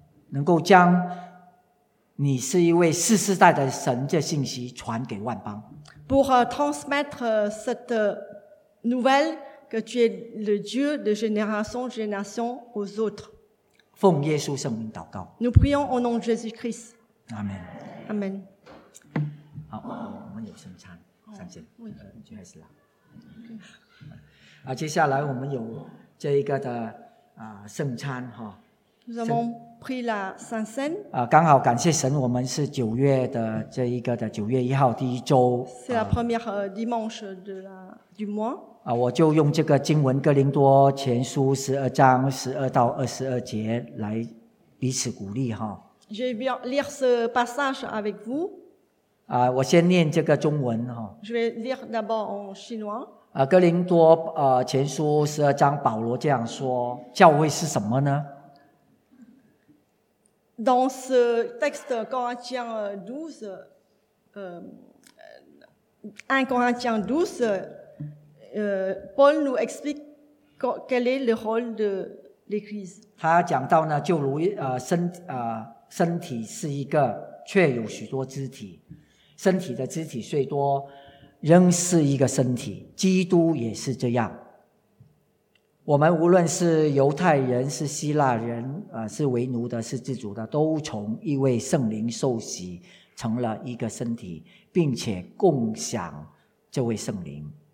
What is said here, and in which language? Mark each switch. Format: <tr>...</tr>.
<zh>能够将你是一位世世代的神这信息传给万邦。</zh> <fr>Pour transmettre cette nouvelle que tu es le Dieu de génération en génération aux autres.</fr> <zh>奉耶稣圣名祷告。</zh> <fr>Nous prions au nom de Jésus-Christ. Amen. Amen.</fr> <zh>好，我们有圣餐，三先，就开始了。啊，接下来我们有这一个的圣餐哈。</zh> <fr>Nous avons pris la Sainte Cène.</fr> <zh>刚好感谢神，我们是九月的这一个的九月一号第一周。</zh> <fr>C'est la première dimanche de la du mois.</fr> <zh>我就用这个经文《哥林多前书》十二章十二到二十二节来彼此鼓励哈。</zh> <fr>Je vais lire ce passage avec vous.</fr> <zh>我先念这个中文哈。</zh> <fr>Je vais lire d'abord en chinois.</fr> <zh>哥林多前书十二章，保罗这样说：教会是什么呢？</zh> <fr>Dans ce texte, Corinthiens 12, 1 Corinthiens 12, Paul nous explique quel est le rôle de l'Église.</fr> <zh>他讲到呢，就如身体是一个，却有许多肢体，身体的肢体虽多，仍是一个身体。基督也是这样。我们无论是犹太人，是希腊人，是为奴的，是自主的，都从一位圣灵受洗，成了一个身体，并且共享这位圣灵。</zh>